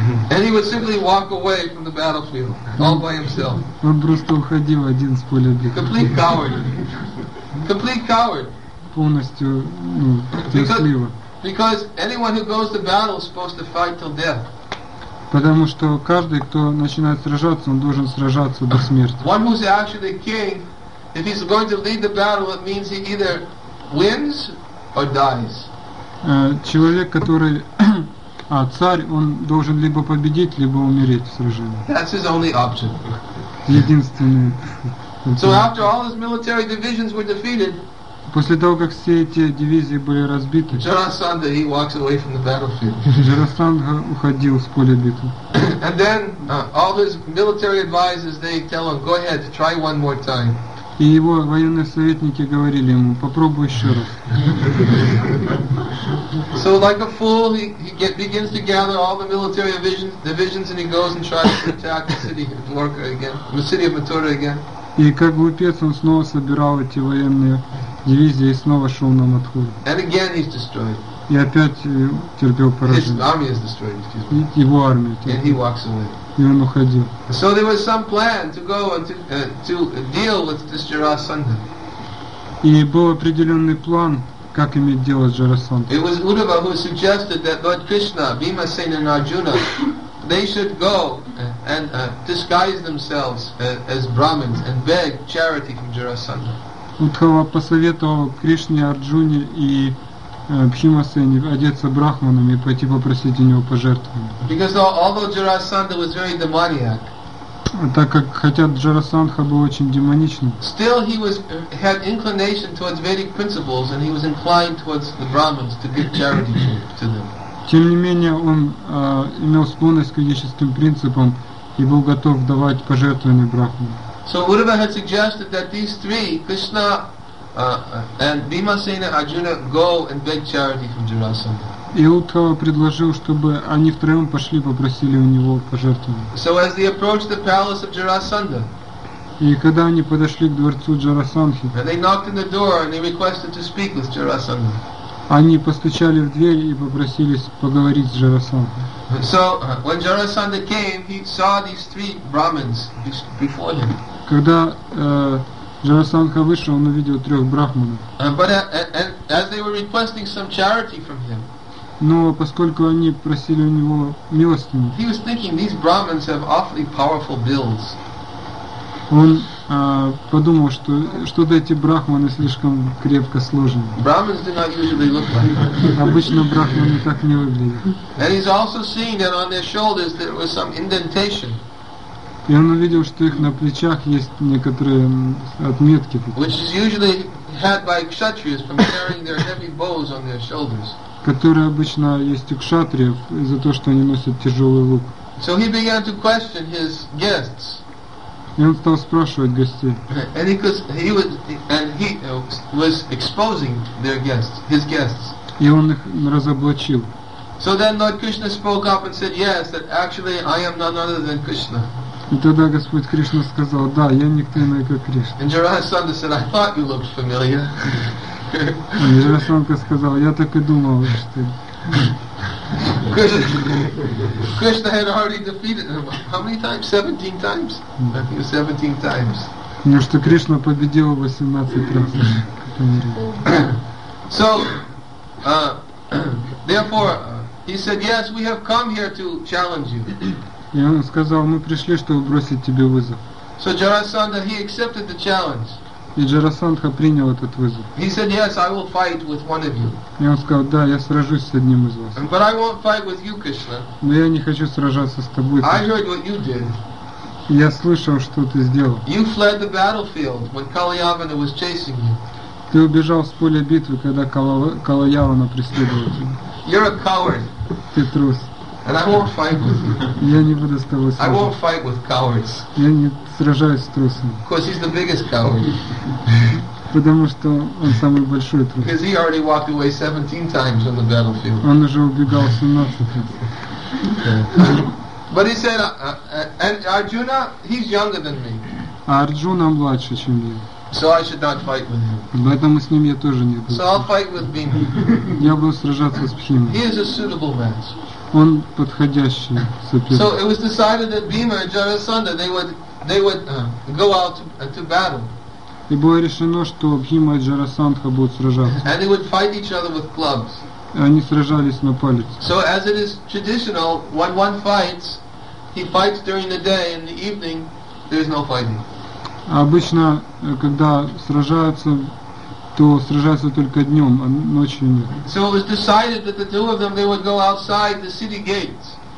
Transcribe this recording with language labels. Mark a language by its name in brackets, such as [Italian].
[English] And he would simply walk away from the battlefield all by himself. [Russian] Он просто уходил один с поля битвы. [English] Complete coward. Complete coward. [Russian] Полностью, ну, [English] because anyone who goes to battle is supposed to fight till death. [Russian] Потому что каждый, кто начинает сражаться, он должен сражаться до смерти. [English] One who's actually king, if he's going to lead the battle, it means he either wins or dies. [Russian] Человек, который царь, он должен либо победить, либо умереть в сражении. [English] That's his only option. [Russian] Единственный. [English] So after all his military divisions were defeated, [Russian] после того, как все эти дивизии были разбиты, [English] Jarasandha, he walks away from the battlefield. [Russian] Jarasandha уходил с поля битвы. [English] And then all his military advisors, they tell him, go ahead, try one more time. [Russian] И его военные советники говорили ему, попробуй еще раз. [English] So like a fool, he begins to gather all the military divisions and he goes and tries to attack the city of Mathura again. [Russian] И как глупец, он снова собирал эти военные дивизии и снова шел на Матхуру. [English] And again he's destroyed. [Russian] И опять терпел поражение. [English] His army is destroyed, excuse me. [Russian] Его армия. [English] And he walks away. [Russian] И он уходил. [English] So there was some plan to go and to deal with this Jarasandha. [Russian] И был определенный план, как иметь дело с Джарасандхой. [English] It was Uddhava who suggested that Lord Krishna, Bhimasena and Arjuna, they should go and disguise themselves as Brahmins and beg charity from Jarasandha. [Russian] Уддхава посоветовал Кришне, Арджуне и Бхимасене одеться брахманами и пойти попросить у него пожертвования. Так как, хотя Джарасандха был очень демоничным, [English] still he was, had inclination towards Vedic principles and he was inclined towards the Brahmins to give charity to them. [Russian] Тем не менее, он имел склонность к ведическим принципам и был готов давать пожертвования брахманам. [English] So Uddhava had suggested that these three, Krishna and Bhimasena Arjuna, go and beg charity from Jarasandha. [Russian] И Uddhava предложил, чтобы они втроем пошли попросили у него пожертвования. [English] So as they approached the palace of Jarasandha, [Russian] и когда они подошли к дворцу Джарасандхи, [English] and they knocked on the door and they requested to speak with Jarasandha. [Russian] Они постучали в дверь и попросились поговорить с Джарасандхой. [English] So when Jarasandha came, he saw these three Brahmins before him. [Russian] Когда Джарасандха вышел, он увидел трех брахманов. [English] But as they were requesting some charity from him, [Russian] но поскольку они просили у него милости, [English] he was thinking these Brahmins have awfully powerful bills. [Russian] Он подумал, что что-то эти брахманы слишком крепко сложены. [English] Brahmins do not usually look like that. [Russian] Обычно брахманы так не выглядят. [English] And he's also seeing that on their shoulders there was some indentation. [Russian] И он увидел, что их на плечах есть некоторые отметки. [English] Which is usually had by kshatriyas from carrying their heavy bows on their shoulders. [Russian] Которые обычно есть у кшатриев из-за того, что они носят тяжелый лук. [English] So he began to question his guests. [Russian] И он стал спрашивать гостей. [English] And he was exposing their guests, his guests. [Russian] И он их разоблачил. [English] So then Lord Krishna spoke up and said, yes, that actually I am none other than Krishna. [Russian] И тогда Господь Кришна сказал, да, я никто иной, как Кришна. [English] And Jarasandha said, I thought you looked familiar. [Russian] И Jarasandha сказал, я так и думал, что ты. [English] Krishna had already defeated him. How many times? 17 times? I think 17 times. [Russian] Ну что Кришна победил 18 раз. [English] So, therefore, he said, yes, we have come here to challenge you. [Russian] И он сказал, мы пришли, чтобы бросить тебе вызов. [English] So Jarasandha, he accepted the challenge. [Russian] И Джарасандха принял этот вызов. [English] He said, yes, I will fight with one of you. [Russian] И он сказал, да, я сражусь с одним из вас. [English] But I won't fight with you, Krishna. [Russian] Но я не хочу сражаться с тобой. [English] I heard what you did. [Russian] Я слышал, что ты сделал. [English] You fled the battlefield when Kalayavana was chasing you. [Russian] Ты убежал с поля битвы, когда Калаявана преследовал тебя. [English] You're a coward. [Russian] Ты трус. [English] And I won't fight with you. [Russian] Я не буду с тобой сражаться. [English] I won't fight with cowards. [Russian] Я не сражаюсь с трусами. [English] Because he's the biggest coward. [Russian] Потому что он самый большой трус. [English] Because he already walked away 17 times on the battlefield. [Russian] Он уже убегал 17 раз. [English] But he said, and Arjuna, he's younger than me. [Russian] А Арджуна младше, чем я. [English] So I should not fight with him. [Russian] Поэтому с ним я тоже не буду. [English] So I'll fight with Bhima. [Russian] Я буду сражаться с Бхимой. [English] He is a suitable match. [Russian] Он подходящий соперник. [English] So it was decided that Bhima and Jarasandha they would go out to battle. [Russian] И было решено, что Бхима и Джарасандха будут сражаться. [English] And they would fight each other with clubs. [Russian] Они сражались на палец. [English] So as it is traditional, when one fights, he fights during the day, in the evening there is no fighting. [Russian] Обычно, когда сражаются, то сражаются только днем, а ночью нет. [English] So it was decided that the two of them they would go outside the city gates.